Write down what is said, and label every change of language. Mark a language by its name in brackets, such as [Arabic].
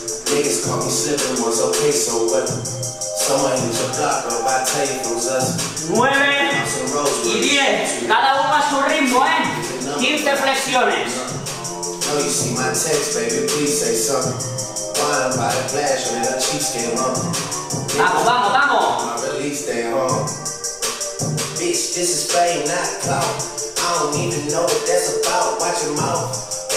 [English] Niggas caught me slipping, was okay, so what? Someone hit your block, but if I tell you, it was us. [Spanish] 9 y 10, cada uno a su ritmo, 15 flexiones. [English] No, you see my text, baby, please say something. Why am I the flash when the Chiefs came up? [Spanish] Vamos, vamos, vamos. [English] My release day, huh? Bitch, this is fame, not clout. I don't even know what that's about, watch your mouth.